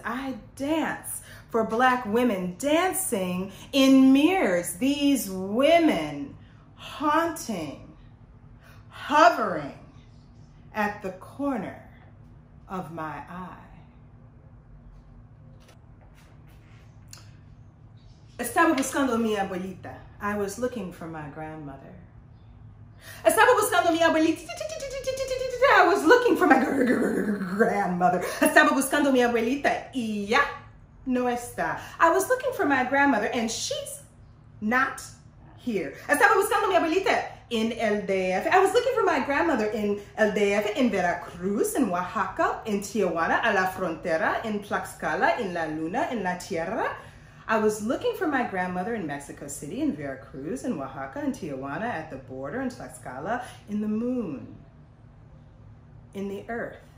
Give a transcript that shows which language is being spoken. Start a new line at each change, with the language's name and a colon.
English: I dance for Black women dancing in mirrors. These women haunting, hovering at the corner of my eye.
Spanish: Estaba buscando mi abuelita.
English: I was looking for my grandmother.
Spanish: Estaba buscando mi abuelita.
English: I was looking for my grandmother.
Spanish: Estaba buscando mi abuelita. Ya no está.
English: I was looking for my grandmother and she's not here.
Spanish: Estaba buscando mi abuelita
English: in
Spanish: El DF.
English: I was looking for my grandmother in El DF, in Veracruz, in Oaxaca, in Tijuana,
Spanish: a la frontera,
English: in Tlaxcala, in
Spanish: La Luna,
English: in
Spanish: La Tierra.
English: I was looking for my grandmother in Mexico City, in Veracruz, in Oaxaca, in Tijuana, at the border, in Tlaxcala, in the moon, in the earth.